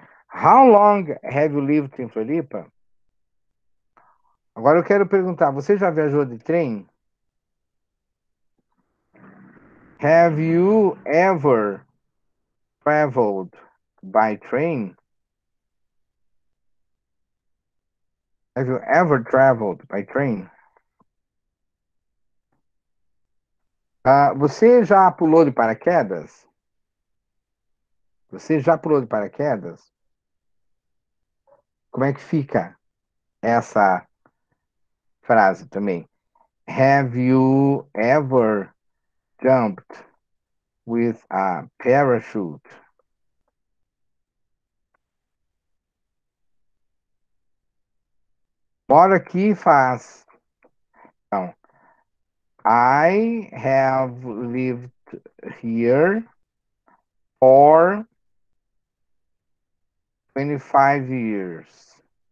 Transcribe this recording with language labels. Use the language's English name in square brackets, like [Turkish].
[English] How long have you lived in Floripa? [Portuguese] Agora eu quero perguntar, você já viajou de trem? [English] Have you ever traveled by train? Have you ever traveled by train? [Portuguese] Você já pulou de paraquedas? Você já pulou de paraquedas? Como é que fica essa frase também? [English] Have you ever jumped with a parachute? [Portuguese] Moro aqui faz. Então, [English] I have lived here for 25 years.